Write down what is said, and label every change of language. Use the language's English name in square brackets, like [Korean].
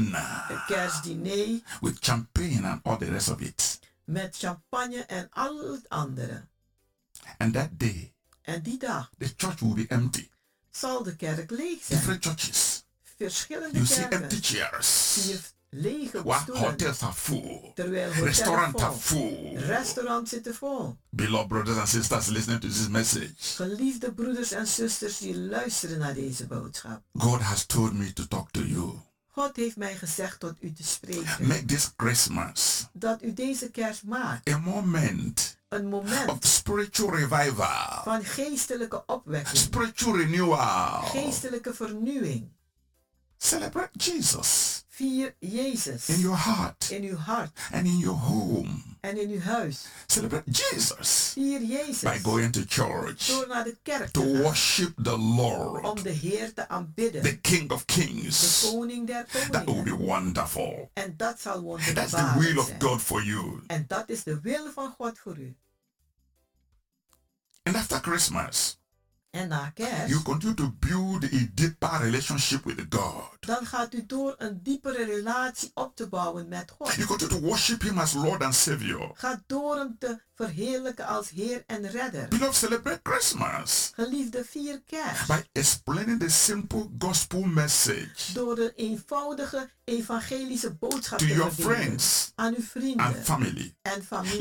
[English] lunch, Christmas breakfast, Christmas brunch, Christmas dinner, with champagne and all the rest of it. [Dutch] Met champagne en al het andere. [English] And that day, [Dutch] en die dag, [English] the church will be empty. [Dutch] Zal de kerk leeg zijn. [English] Different churches. [Dutch] Verschillende [English] you [Dutch] kerken. [English] See empty chairs. [Dutch] Lege [English] hotels are full. [Dutch] Terwijl restaurants vol. [English] Are full. [Dutch] Restaurants zitten vol. [English] Beloved brothers and sisters listening to this message. [Dutch] Geliefde broeders en zusters die luisteren naar deze boodschap. [English] God has told me to talk to you. [Dutch] God heeft mij gezegd tot u te spreken. [English] Make this Christmas. [Dutch] Dat u deze kerst maakt. [English] A moment. [Dutch] Een moment [English] of spiritual revival. [Dutch] Van geestelijke opwekking. [English] Spiritual renewal. [Dutch] Geestelijke vernieuwing. [English] Celebrate Jesus. [Dutch] Vier Jezus. [English] In your heart. [Dutch] In uw hart. [English] And in your home. [Dutch] En in uw huis. [English] Celebrate Jesus. [Dutch] Vier Jezus. [English] By going to church. [Dutch] Door naar de kerk. [English] To worship the Lord. [Dutch] Om de Heer te aanbidden. [English] The King of Kings. [Dutch] De koning der koningen. [English] That will be wonderful. [Dutch] En dat zal wonderbaar zijn. [English] That's the will of God for you. [Dutch] En dat is de wil van God voor u. [English] And after Christmas. [Dutch] En na kerst, [English] you continue to build a deeper relationship with God. [Dutch] Dan gaat u door een diepere relatie op te bouwen met God. [English] You continue to worship him as Lord and Savior. [Dutch] Ga door hem te verheerlijken als Heer en Redder. [English] Beloved, celebrate Christmas. [Dutch] Geliefde, vier kerst. [English] By explaining the simple gospel message. [Dutch] Door de eenvoudige evangelische boodschap [English] to [Dutch] te [English] your friends [Dutch] aan uw vrienden [English] and family. [Dutch] En familie.